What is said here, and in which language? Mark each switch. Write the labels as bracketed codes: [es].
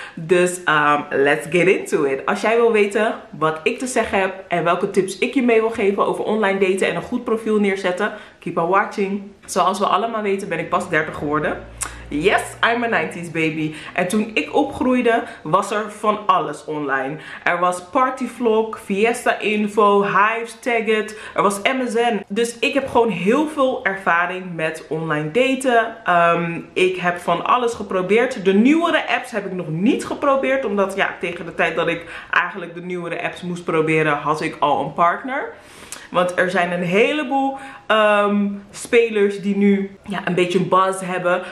[nl] Dus [en] let's get into it. [nl] Als jij wil weten wat ik te zeggen heb en welke tips ik je mee wil geven over online daten en een goed profiel neerzetten, [en] keep on watching. [nl] Zoals we allemaal weten ben ik pas 30 geworden. [en] Yes, I'm a 90s baby. [nl] En toen ik opgroeide, was er van alles online. Er was Partyvlog, Fiesta Info, Hives, Tagged, er was MSN. Dus ik heb gewoon heel veel ervaring met online daten. Ik heb van alles geprobeerd. De nieuwere apps heb ik nog niet geprobeerd. Omdat ja, tegen de tijd dat ik eigenlijk de nieuwere apps moest proberen, had ik al een partner. Want er zijn een heleboel spelers die nu ja, een beetje een buzz hebben.